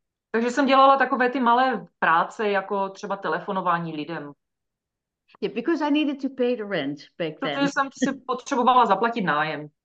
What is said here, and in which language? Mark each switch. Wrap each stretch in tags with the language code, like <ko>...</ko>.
<cs>Takže jsem dělala takové ty malé práce, jako třeba telefonování lidem.</cs> <en>Yeah, because I needed to pay the rent back then.</en> <cs>Protože jsem si potřebovala zaplatit nájem,</cs>